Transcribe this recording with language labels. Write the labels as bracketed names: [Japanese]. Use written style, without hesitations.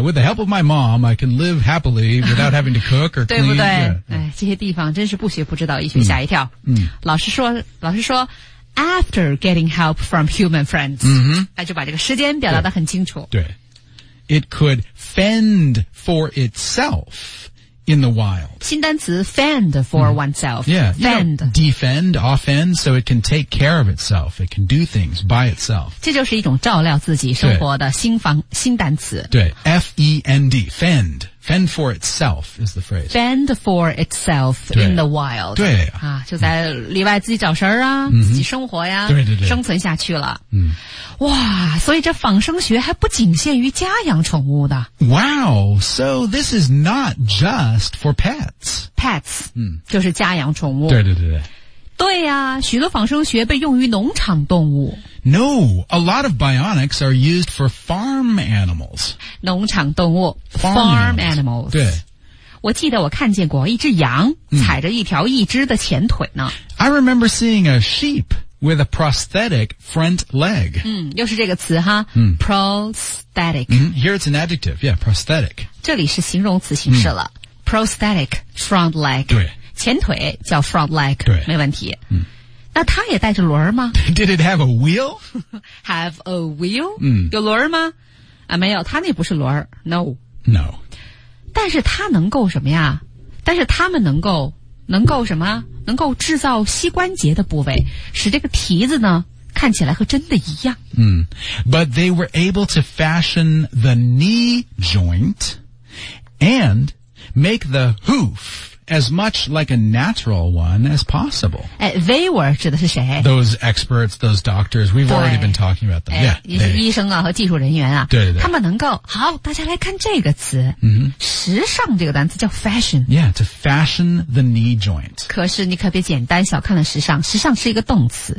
[English] yeah with the help of my mom I can live happily without having to cook or clean [Chinese] 对不对、 [English] yeah. [Chinese] 哎，这些地方真是不学不知道一学吓一跳嗯, 嗯，老师说 [English] After getting help from human friends. 嗯哼。 [Chinese] 那就把这个时间表达得很清楚。对。 [English] It could fend for itself in the wild. [Chinese] 新单词 [English] fend for、mm-hmm. oneself. Yeah. Fend. You know, defend, offend, so it can take care of itself. It can do things by itself. [Chinese] 这就是一种照料自己生活的新单词。 [English] 对。F-E-N-D. Fend. Fend for itself is the phrase. Fend for itself in the wild. [Chinese] 对啊，就在里外自己找食儿啊、嗯，自己生活呀、啊，对对对，生存下去了。嗯，哇，所以这仿生学还不仅限于家养宠物的。 [English] Wow, so this is not just for pets. Pets, 嗯， [Chinese] 就是家养宠物。对对对对。对呀、啊，许多仿生学被用于农场动物。 [English] No, a lot of bionics are used for farm animals. [Chinese] 农场动物 [English] farm animals. 对， [Chinese] 我记得我看见过一只羊踩着一条一只的前腿呢。 [English] I remember seeing a sheep with a prosthetic front leg. [Chinese] 嗯，又是这个词哈。嗯、 [English] prosthetic. Here it's an adjective. Yeah, prosthetic. [Chinese] 这里是形容词形式了。 [English] Prosthetic front leg. [Chinese] 对。前腿叫 front leg, 对没问题、嗯。那它也带着轮儿吗 [English] ?Did it have a wheel? have a wheel?、嗯、 [Chinese] 有轮儿吗啊没有它那不是轮儿 ,no。 [English] No。 [Chinese] 但是它能够什么呀但是它们能够什么能够制造膝关节的部位使这个蹄子呢看起来和真的一样。嗯。 [English] But they were able to fashion the knee joint and make the hoof as much like a natural one as possible. They were [Chinese] 指的是谁 [English] Those experts, those doctors, we've already been talking about them. Yeah, [Chinese] 医生啊和技术人员啊对对对他们能够好大家来看这个词、 mm-hmm. 时尚这个单词叫 fashion. [English] Yeah, to fashion the knee joint. [Chinese] 可是你可别简单小看了时尚时尚是一个动词。